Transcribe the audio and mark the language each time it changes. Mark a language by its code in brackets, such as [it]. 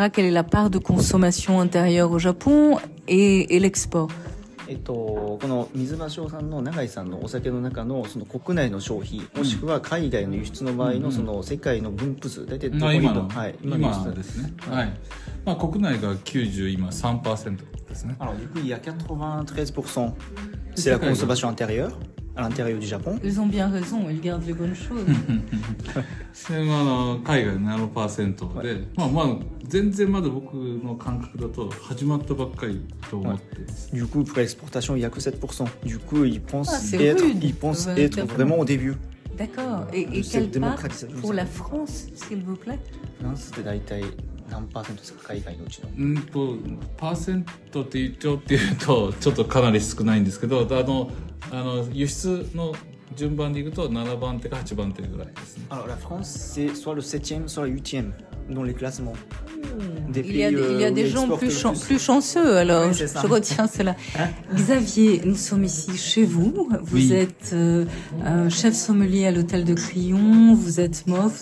[fr] Quelle est la part de consommation intérieure au Japon et l'export? [ja] この水場所さんの永井さんのお酒の中 の, その国内の消費、うん、もしくは海外の輸出の場合 の, その世界の分布図、うん、大体どこに、はい、今の輸出ですね、はい、まあ、国内が 93% ですね。 [fr] Alors, du coup, il y a 93% c'est la consommation intérieure à l'intérieur du Japon. Ils ont bien raison, ils gardent les bonnes choses. [ja] 海外 7% で、まあまあ、全然まだ僕の感覚だと始まったばっかりと思ってます。 [fr] Du coup, pour l'exportation, il n'y a que 7%. Du coup, ils pensent être vraiment au début. D'accord. Et quelle part pour la France, s'il vous plaît? France, c'est [ja] 大体何パーセントですか、海外のうちの。パーセントって言っちゃうっていうと、ちょっとかなり少ないんですけど、あの輸出の順番でいくと7番手か8番手ぐらいですね。 [fr] Alors, la France, c'est soit le 7e, soit le 8e dans les classements. Il y a des gens plus chanceux, alors oui, je retiens cela. Hein? Xavier, nous sommes ici chez vous. Vous oui. êtes chef sommelier à l'hôtel de Crillon. Vous êtes mof.